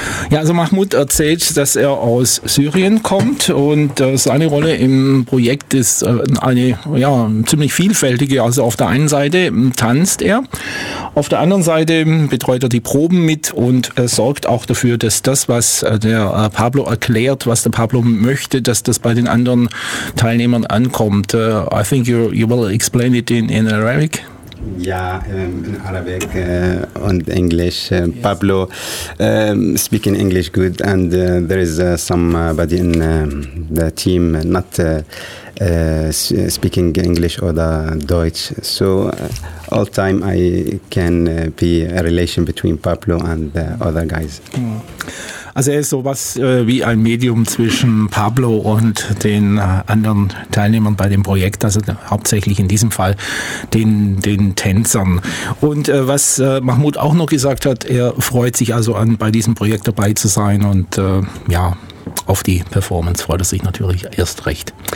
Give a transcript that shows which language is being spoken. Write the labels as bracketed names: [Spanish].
[German] Ja, also Mahmoud erzählt, dass er aus Syrien kommt und seine Rolle im Projekt ist ziemlich vielfältige. Also auf der einen Seite tanzt er, auf der anderen Seite betreut er die Proben mit und sorgt auch dafür, dass das, was der Pablo erklärt, was der Pablo möchte, dass das bei den anderen Teilnehmern ankommt. [English] I think you will explain it in Arabic. In Arabic and English. Yes. Pablo speaking English good, and there is somebody in the team not speaking English or the Deutsch. So all time I can be a relation between Pablo and the other guys. [German] Also er ist sowas wie ein Medium zwischen Pablo und den anderen Teilnehmern bei dem Projekt, also hauptsächlich in diesem Fall den Tänzern. Und was Mahmoud auch noch gesagt hat, er freut sich also an, bei diesem Projekt dabei zu sein und auf die Performance freut er sich natürlich erst recht.